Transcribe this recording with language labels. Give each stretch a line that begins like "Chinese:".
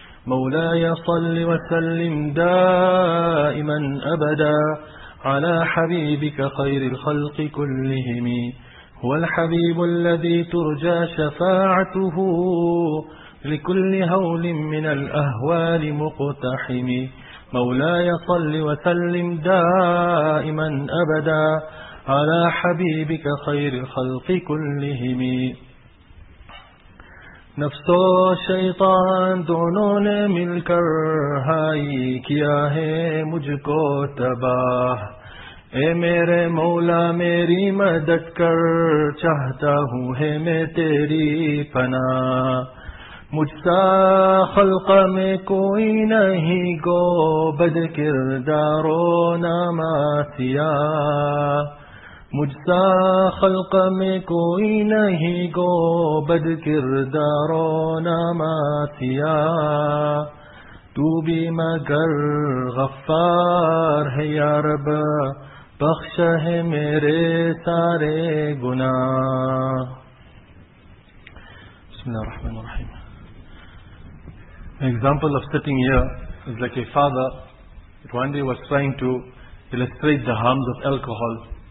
Arabic: مولاي صل وسلم دائما أبدا على حبيبك خير الخلق كلهم هو الحبيب الذي ترجى شفاعته لكل هول من الأهوال مقتحم مولاي صل وسلم دائما أبدا على حبيبك خير الخلق كلهم
Urdu: نفس و شیطان دونوں نے مل کر ہائی کیا ہے مجھ کو تباہ اے میرے مولا میری مدد کر، چاہتا ہوں ہے میں تیری پناہ، مجھ سا خلق میں کوئی نہیں گو، بد کردار و ناماسیہ، مجھ سا خلق میں کوئی نہیں گو، بد کردار و ناماسیہ، تو بھی مگر غفار ہے یا رب، بخش ہے میرے سارے گناہ.
Arabic: بسم اللہ الرحمن الرحیم.
English: An example of sitting here is like a father that one day was trying to illustrate the harms of alcohol.